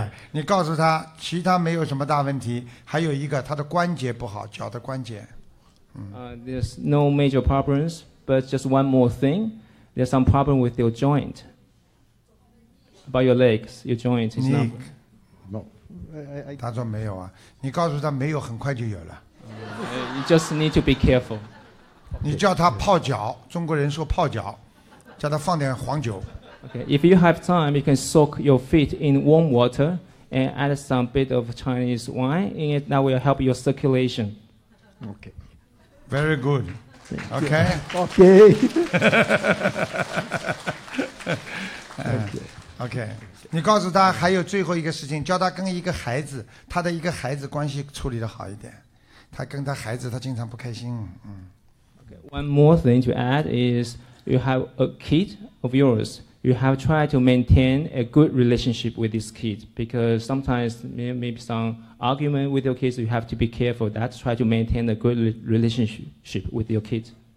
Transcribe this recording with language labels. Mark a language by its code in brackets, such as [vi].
[zh] 你告诉他其他没有什么大问题，还有一个他的关节不好，脚的关节。 [en] There's no major problems, but just one more thing. There's some problem with your joint. About your legs, your joint is Nick, not. [zh] 他说没有啊，你告诉他没有，很快就有了。 [en] You just need to be careful. [zh] 你叫他泡脚，中国人说泡脚，叫他放点黄酒。 [en] Okay, if you have time, you can soak your feet in warm water and add some bit of Chinese wine in it. That will help your circulation. Okay. Very good. Okay. Okay. okay. [zh] 你告诉他还有最后一个事情，叫他跟一个孩子，他的一个孩子关系处理得好一点。他跟他孩子，他经常不开心。 [en] Okay. One more thing to add is you have a kid of yours. You have tried to maintain a good relationship with this kid because sometimes maybe some argument with your kids, you have to be careful that. Try to maintain a good relationship with your kid.